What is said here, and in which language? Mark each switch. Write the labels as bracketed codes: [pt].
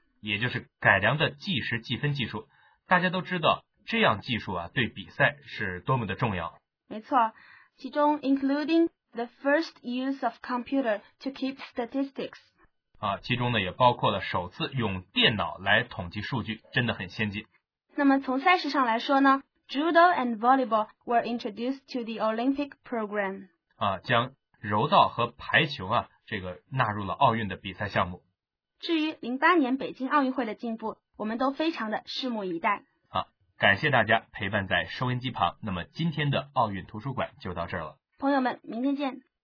[zh] 也就是改良的计时计分技术。大家都知道，这样技术啊，对比赛是多么的重要。没错，其中 [en] including the first use of computer to keep statistics。 [zh] 啊，其中呢也包括了首次用电脑来统计数据，真的很先进。那么从赛事上来说呢？ [en] Judo and volleyball were introduced to the Olympic program。 [zh] 啊，将柔道和排球啊，这个纳入了奥运的比赛项目。至于2008年北京奥运会的进步，我们都非常的拭目以待。好，感谢大家陪伴在收音机旁。那么今天的奥运图书馆就到这儿了。朋友们，明天见。